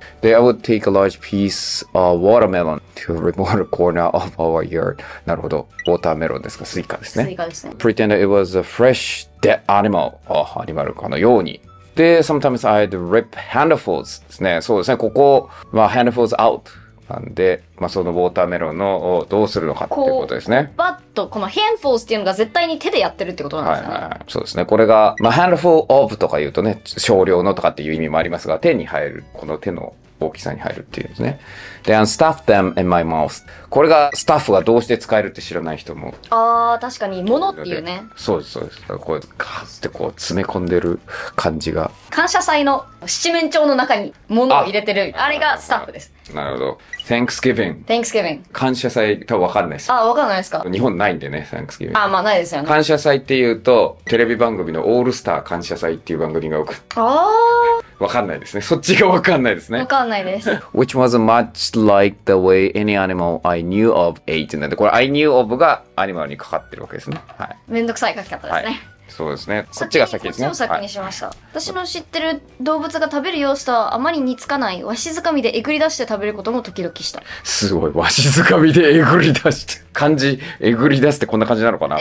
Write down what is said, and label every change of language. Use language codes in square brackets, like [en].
[en] They would take a large piece of watermelon to remote corner of our yard。 [ja] なるほど、ウォーターメロンですか。スイカですね。スイカですね。 [en] Pretend it was a fresh dead animal、 [ja] アニマルかのように。で、 [en] sometimes I'd rip handfuls [ja] ですね。そうですね、ここ、まあ、 [en] handfuls out [ja] なんで、まあ、そのウォーターメロンをどうするのかっていうことですね。こうバッとこのヘンフォースっていうのが絶対に手でやってるってことなんですね。はいはいはい、そうですね。これがまあ、ハンドフォーオブとか言うとね、少量のとかっていう意味もありますが、手に入る、この手の大きさに入るっていうんですね。 [en] で、アンスタッフ them in my mouth。 [ja] これがスタッフがどうして使えるって知らない人も。ああ、確かに、物っていうね。そうです、そうです。こうガーってこう詰め込んでる感じが、感謝祭の七面鳥の中に物を入れてる、 あれがスタッフです。なるほど。Thanksgiving、 [en] Thanksgiving、 [ja] 感謝祭多分わかんないです。あ、わかんないですか。日本ないんでね、 Thanksgiving。あ、まあないですよね。感謝祭っていうとテレビ番組のオールスター感謝祭っていう番組が多く、ああ、わかんないですね。そっちがわかんないですね。わかんないです。 [en] Which wasn't much like the way any animal I knew of ate。 [ja] なんで、これ [en] I knew of [ja] がアニマルにかかってるわけですね。はい。めんどくさい書き方ですね。はい、そうですね。こっちが先ですね。こっちを先にしました、はい。私の知ってる動物が食べる様子とはあまり似つかない。わしづかみでえぐり出して食べることも時々した。すごい。わしづかみでえぐり出して。漢字、えぐり出すってこんな感じなのかな。